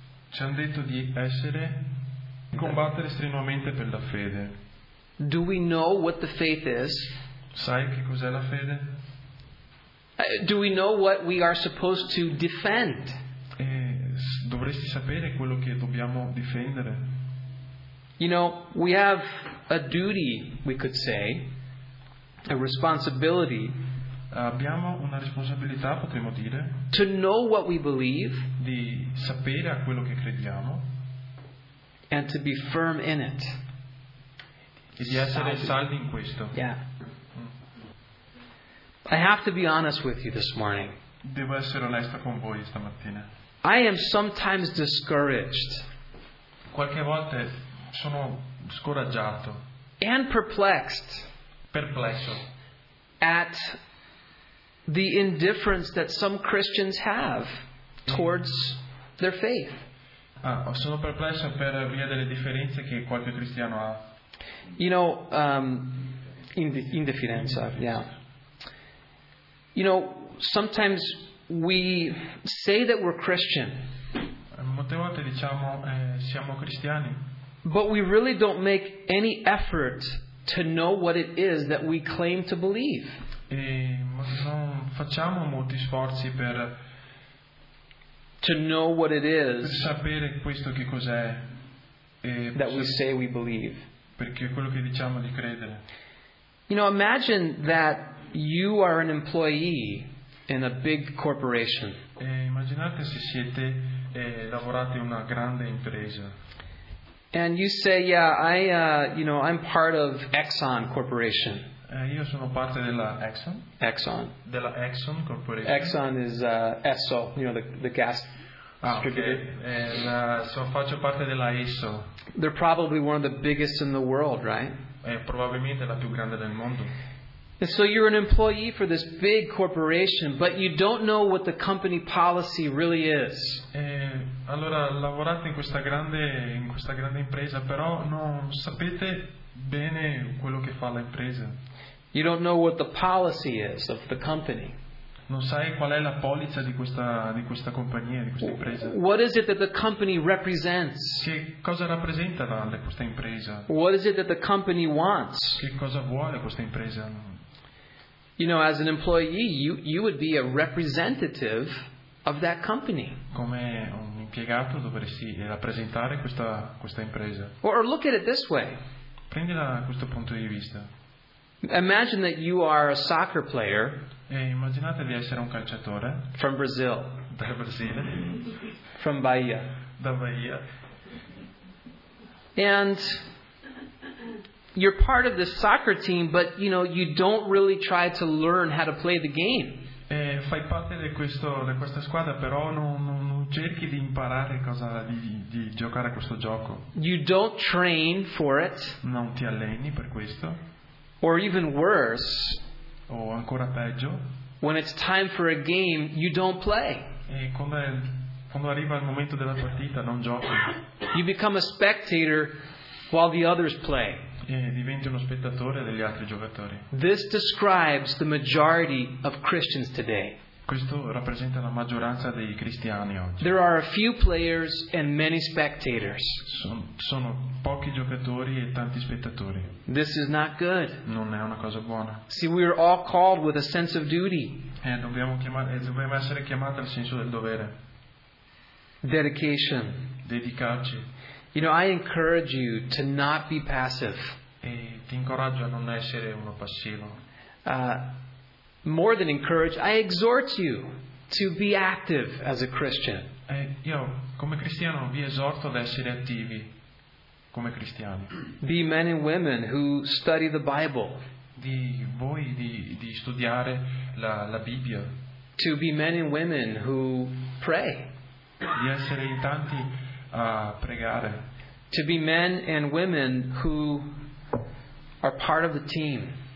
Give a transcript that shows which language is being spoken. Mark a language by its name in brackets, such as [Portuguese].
[Italian] Ci hanno detto di essere combattere strenuamente per la fede. [English] Do we know what the faith is? [Italian] Sai che cos'è la fede? [English] Do we know what we are supposed to defend? [Italian] Dovresti sapere quello che dobbiamo difendere. [English] You know, we have a duty, we could say, a responsibility. [Italian] Abbiamo una responsabilità, potremmo dire. [English] To know what we believe. [Italian] Di sapere a quello che crediamo. [English] And to be firm in it. [Italian] E di essere saldi in questo. Yeah. [English] I have to be honest with you this morning. [Italian] Devo essere onesto con voi stamattina. [English] I am sometimes discouraged. [Italian] Qualche volta sono scoraggiato. [English] And perplexed. [Italian] Perplesso. [English] At the indifference that some Christians have towards their faith. [Italian] Ah, sono perplesso per via delle differenze che qualche cristiano ha. [English] You know, indifferenza. Yeah. You know, sometimes we say that we're Christian. [Italian] Molte volte diciamo siamo cristiani. [English] But we really don't make any effort to know what it is that we claim to believe. [Italian] E non facciamo molti sforzi per [English] to know what it is [Italian] per sapere questo che cos'è [English] that we say we believe. [Italian] Perché è quello che diciamo di credere. [English] You know, imagine that you are an employee in a big corporation. [Italian] E immaginate se siete lavorate in una grande impresa. [English] And you say, yeah, I'm part of Exxon Corporation. [Italian] Io sono parte della Exxon. Exxon. Della Exxon Corporation. [English] Exxon is Esso, the gas distributor. Ah, okay. [Italian] Faccio parte della Esso. [English] They're probably one of the biggest in the world, right? [Italian] È probabilmente la più grande del mondo. [English] And so you're an employee for this big corporation, but you don't know what the company policy really is. [Italian] Allora lavorate in questa grande impresa, però non sapete bene quello che fa l'impresa. [English] You don't know what the policy is of the company. [Italian] Non sai qual è la polizza di questa compagnia, di questa impresa. [English] What is it that the company represents? [Italian] Che cosa rappresenta questa impresa? [English] What is it that the company wants? [Italian] Che cosa vuole questa impresa? [English] You know, as an employee, you would be a representative of that company. [Italian] Come un impiegato dovresti rappresentare questa impresa. [English] Or look at it this way. [Italian] Prendila da questo punto di vista. [English] Imagine that you are a soccer player. [Italian] E immaginate di essere un calciatore. [English] From Brazil. [Italian] Dal Brasile. [English] From Bahia. [Italian] Da Bahia. [English] And you're part of the soccer team, but you know you don't really try to learn how to play the game. [Italian] Fai parte di questa squadra, però non cerchi di imparare cosa di giocare a questo gioco. [English] You don't train for it. [Italian] Non ti alleni per questo. [English] Or even worse. [Italian] O ancora peggio. [English] When it's time for a game, you don't play. [Italian] Quando arriva il momento della partita, non giochi. [English] You become a spectator while the others play. [Italian] E diventi uno spettatore degli altri giocatori. [English] This describes the majority of Christians today. [Italian] Questo rappresenta la maggioranza dei cristiani oggi. [English] There are a few players and many spectators. [Italian] Sono pochi giocatori e tanti spettatori. [English] This is not good. [Italian] Non è una cosa buona. [English] See, we are all called with a sense of duty. [Italian] E dobbiamo essere chiamati al senso del dovere. [English] Dedication. [Italian] Dedicarci. [English] You know, I encourage you to not be passive. [Italian] E ti incoraggio a non essere uno passivo. [English] More than encourage, I exhort you to be active as a Christian. [Italian] Io, come cristiano, vi esorto ad essere attivi come cristiani. [English] Be men and women who study the Bible. [Italian] Di voi di studiare la Bibbia. [English] To be men and women who pray. [Italian] Di essere in tanti a pregare. [English] To be men and women who are part of the team.